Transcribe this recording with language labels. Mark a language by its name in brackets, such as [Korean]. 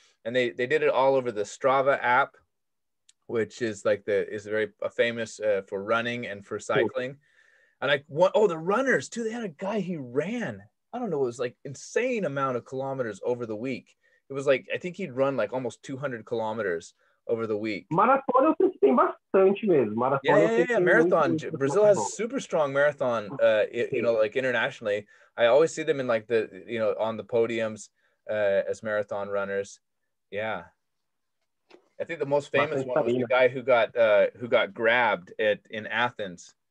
[English] And they did it all over the Strava app, which is like is very famous for running and for cycling. Cool. And the runners too. They had a guy, he ran, I don't know, it was like insane amount of kilometers over the week. It was like, I think he'd run like almost 200 kilometers over the week. [Portuguese] Marathon, eu sei que tem bastante mesmo. [English] Marathon, marathon. Brazil has a super strong marathon, like internationally. I always see them in like on the podiums as marathon runners. Yeah. I think the most famous one was the guy who got grabbed in Athens.